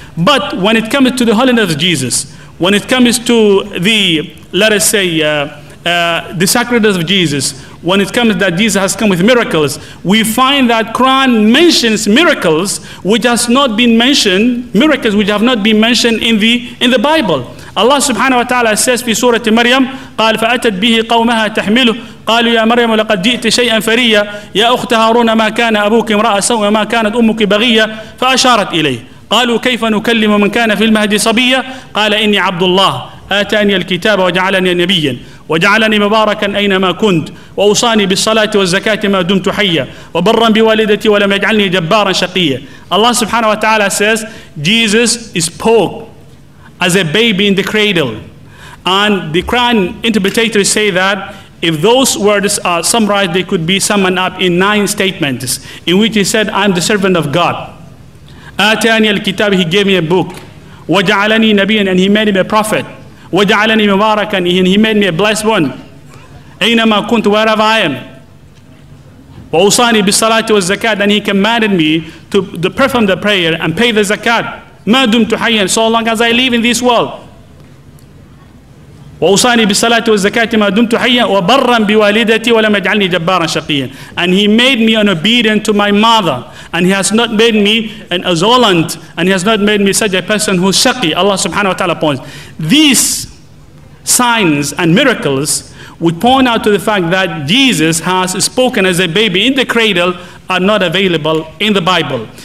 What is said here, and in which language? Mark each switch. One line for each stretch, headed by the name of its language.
English: But when it comes to the holiness of Jesus, when it comes to the, let us say, the sacrifice of Jesus, when it comes that Jesus has come with miracles, we find that Quran mentions miracles which has not been mentioned, miracles which have not been mentioned in the Bible.
Arabic: Allah subhanahu wa ta'ala says in Surah Maryam, قال فأتت به قومها تحمله قالوا يا مريم لقد جئت شيئا فريا يا أخت هارون ما كان أبوك امرأ سوء ما كانت أمك بغية فأشارت إليه قالوا كيف نكلم من كان في المهدي صبيا قال إني عبد الله آتاني الكتاب وجعلني نبيا وجعلني مباركا أينما كنت وأوصاني بالصلاة والزكاة ما دمت حيا وبرا بوالدتي ولم يجعلني جبارا شقيا.
English: Allah subhanahu wa ta'ala says, Jesus spoke as a baby in the cradle. And the Quran interpreters say that if those words are summarized, they could be summed up in 9 statements in which he said, I'm the servant of God.
Arabic: آتاني الكتاب,
English: he gave me a book.
Arabic: وجعلني نبيا,
English: and he made him a prophet.
Arabic: وَجَعَلَنِي مُبَارَكًا,
English: and he made me a blessed one.
Arabic: أَيْنَمَا كُنْتُ,
English: wherever I am.
Arabic: وَأُوصَانِي بِالصَّلَاةِ وَالزَّكَاةِ,
English: and he commanded me to perform the prayer and pay the zakat.
Arabic: ما دمت حيا,
English: so long as I live in this world.
Arabic: وأوصاني بالصلاة والزكاة ما دمت حيا وبرا بوالدتي ولم يجعلني جبارا شقيا.
English: And he made me an obedient to my mother, and he has not made me an azolant, and he has not made me such a person who's shaqi. Allah subhanahu wa ta'ala points. These signs and miracles would point out to the fact that Jesus has spoken as a baby in the cradle are not available in the Bible.